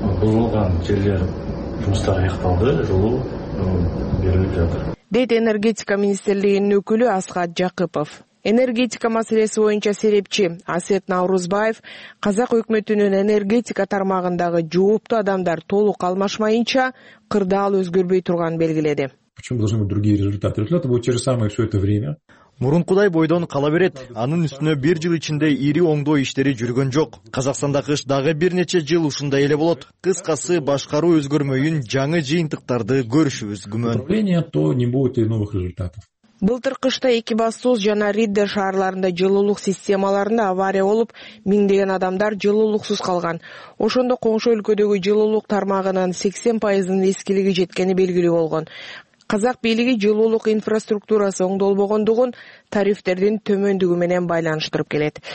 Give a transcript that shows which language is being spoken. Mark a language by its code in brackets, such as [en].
[ky] Бузулган жерлер жумуштар аякталды, жылуу берилип жатыр. Дейт энергетика министрлигинин өкүлү Асхат Жакыпов. Энергетика маселеси боюнча серепчи Асет Наурузбаев казак өкмөтүнүн энергетика тармагындагы жооптуу адамдар толук алмашмайынча кырдаал өзгөрбөй турганын белгиледи. [ru] Почему должны быть другие результаты? Результаты будут те же самые все это время. [ky] Мурункудай бойдон кала берет. Анын үстүнө бир жыл ичинде ири оңдоо иштери жүргөн жок. Казакстанда кыш дагы бир нече жыл ушундай эле болот. Кыскасы башкаруу өзгөрмөйүн жаңы жыйынтыктарды көрүшүбүз күмөн. [ru] Управление, то не будет и новых результатов. [ky] Былтыр кышта Экибастуз жана Риддер шаарларында жылуулук системаларында авария болуп, миңдеген адамдар жылуулуксуз калган. Ошондо коңшу өлкөдөгү жылуулук тармагынын 80% эскилиги жеткени белгилүү болгон. Казак бийлиги жылуулук инфраструктурасы оңдолбогондугун тарифтердин төмөндүгү менен байланыштырып келет.